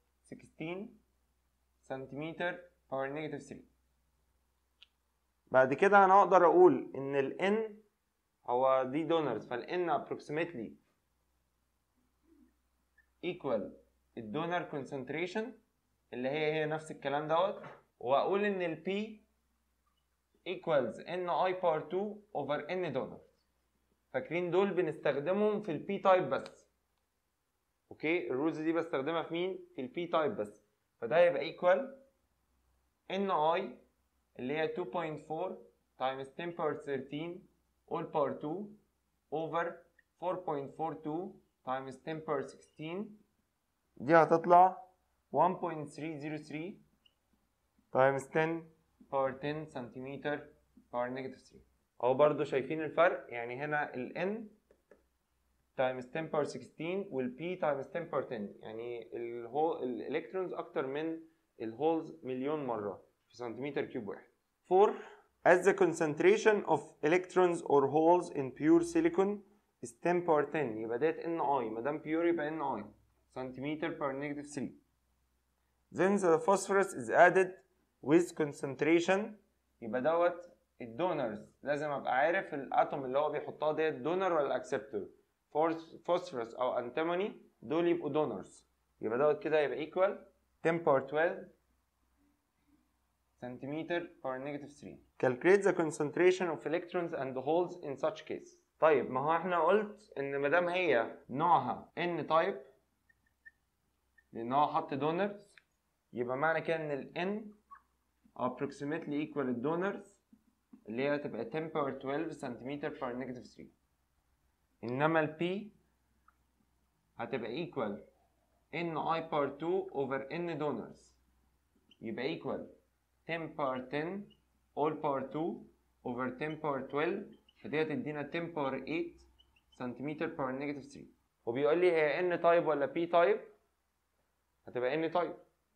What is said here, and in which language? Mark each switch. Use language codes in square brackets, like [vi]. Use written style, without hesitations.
[en] 16 سنتيمتر power negative 3 [ar] بعد كده انا اقدر اقول ان ال n هو دي دونرز فال n approximately equal الدونر concentration اللي هي نفس الكلام دوت واقول ان ال p equals n i power 2 over n donor فاكرين دول بنستخدمهم في ال p type بس اوكي الرولز دي بستخدمها في مين في ال p type بس فده هيبقى equal [en] n i اللي هي 2.4 times 10 power 13 all power 2 over 4.42 times 10 power 16 [ar] دي هتطلع [en] 1.303 times 10 [ar] power 10 سنتيمتر power negative 3 او برضو شايفين الفرق يعني هنا ال n times 10 power 16 وال p times 10 power 10 يعني ال electrons اكتر من ال holes مليون مرة في سنتيمتر كيوب واحد [en] Four, as the concentration of electrons or holes in pure silicon is 10 power 10 [ar] يبقى ديت ان اي مادام بيور يبقى ان اي سنتيمتر بير نيجاتيف 3 [en] then the phosphorus is added with concentration [ar] يبقى دوت الدونرز لازم ابقى عارف الاتوم اللي هو بيحطها ديت دونر ولا اكسبتور فوسفورس او انتيموني دول يبقوا دونرز يبقى دوت كده يبقى ايكوال 10 power 12 سنتيمتر power negative 3 [en] calculate the concentration of electrons and the holes in such case [ar] طيب ما هو احنا قلت ان مدام هي نوعها n type لان هو حط donors يبقى معنى كده ان ال [en] n approximately equal to donors [ar] اللي هي تبقى 10 power 12 سنتيمتر power negative 3 انما ال p هتبقى equal n i power 2 over n donors يبقى equal 10 power 10 all power 2 over 10 power 12 فدي هتدينا 10 power 8 سنتيمتر power negative 3. وبيقول لي هي n type ولا p type؟ هتبقى n type.